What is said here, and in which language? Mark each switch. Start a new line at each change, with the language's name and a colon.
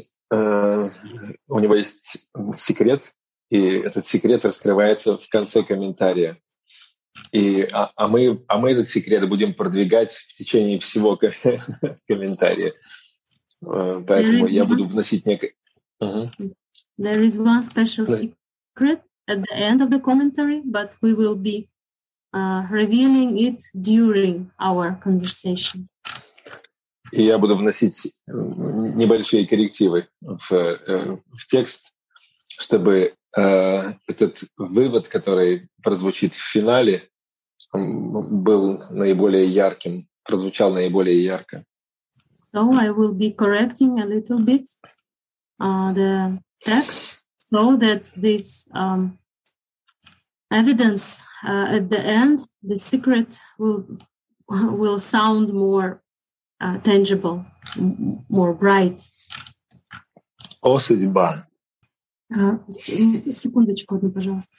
Russian: У него есть секрет, и этот секрет раскрывается в конце комментария. И, мы этот секрет будем продвигать в течение всего комментария. Поэтому я буду вносить некое...
English: There is one special secret at the end of the commentary, but we will be revealing it during our conversation.
Russian: И я буду вносить небольшие коррективы в текст, чтобы этот вывод, который прозвучит в финале, был наиболее ярким, прозвучал наиболее ярко.
English: So I will be correcting a little bit the text so that this evidence at the end, the secret will sound more tangible, more bright.
Russian: О, судьба. Секундочку одну, пожалуйста.